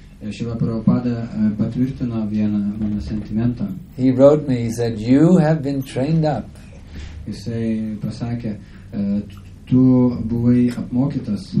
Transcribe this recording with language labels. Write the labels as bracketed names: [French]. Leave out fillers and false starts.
[Lithuanian] Srila Prabhupada patvirtino vieną mano sentimentą. [English] He wrote me, he said, you have been trained up. [Lithuanian] Jisai pasakė, tu buvai apmokytas.